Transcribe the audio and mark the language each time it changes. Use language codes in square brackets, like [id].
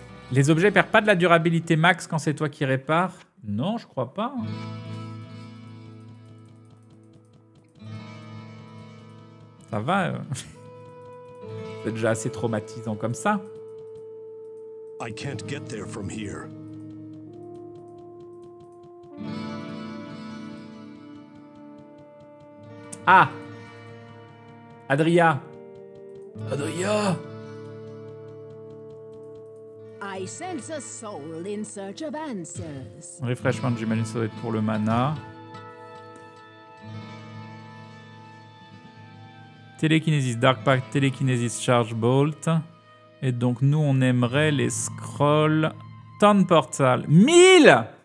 [fr] Les objets perdent pas de la durabilité max quand c'est toi qui répare? Non, je crois pas. Ça va. C'est déjà assez traumatisant comme ça. [en] I can't get there from here. Ah! Adria! Adria! I sense a soul in search of answers. [fr] Refreshment, j'imagine ça doit être pour le mana. Télékinésis, Dark Pack, Télékinésis, Charge Bolt. Et donc nous, on aimerait les scrolls. [en] Turn Portal. 1000!